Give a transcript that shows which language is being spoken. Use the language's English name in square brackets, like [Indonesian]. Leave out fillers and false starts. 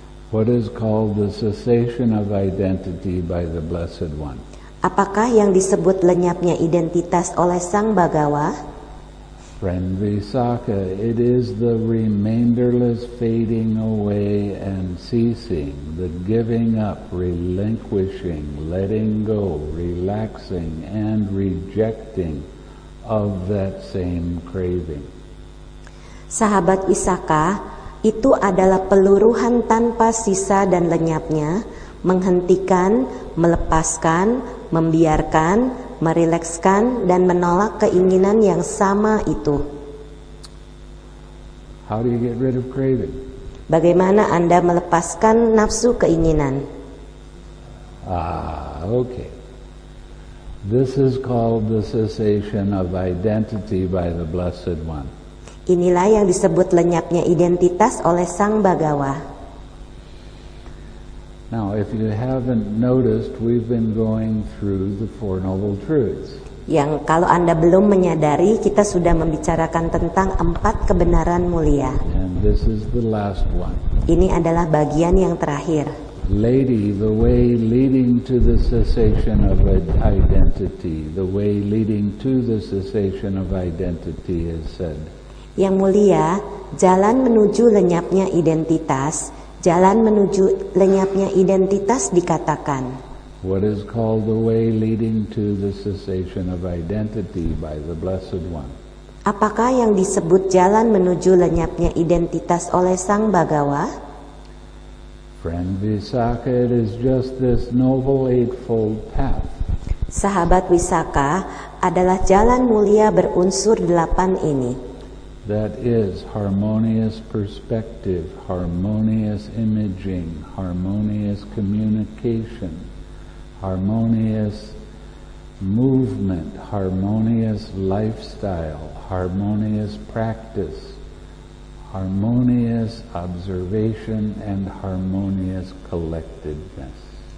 [English] What is called the cessation of identity by the Blessed One? [Indonesian] Apakah yang disebut lenyapnya identitas oleh Sang Bhagawa? [English] Friend Visakha, it is the remainderless fading away and ceasing, the giving up, relinquishing, letting go, relaxing, and rejecting of that same craving. [Indonesian] Sahabat Visakha, itu adalah peluruhan tanpa sisa dan lenyapnya, menghentikan, melepaskan, membiarkan, merilekskan, dan menolak keinginan yang sama itu. [English] How do you get rid of craving? [Indonesian] Bagaimana Anda melepaskan nafsu keinginan? [English] Okay. This is called the cessation of identity by the Blessed One. [Indonesian] Inilah yang disebut lenyapnya identitas oleh Sang Bhagawa. [English] Now, if you haven't noticed, we've been going through the Four Noble Truths. [Indonesian] Yang kalau Anda belum menyadari, kita sudah membicarakan tentang empat kebenaran mulia. [English] And this is the last one. [Indonesian] Ini adalah bagian yang terakhir. [English] Lady, the way leading to the cessation of identity, the way leading to the cessation of identity is said. [Indonesian] Yang mulia, jalan menuju lenyapnya identitas. Jalan menuju lenyapnya identitas dikatakan. [English] What is called the way leading to the cessation of identity by the Blessed One? [Indonesian] Apakah yang disebut jalan menuju lenyapnya identitas oleh Sang Bhagawa? [English] Friend Visakha, it is just this noble eightfold path. [Indonesian] Sahabat Visakha adalah jalan mulia berunsur delapan ini. [English] That is harmonious perspective, harmonious imaging, harmonious communication, harmonious movement, harmonious lifestyle, harmonious practice, harmonious observation, and harmonious collectedness.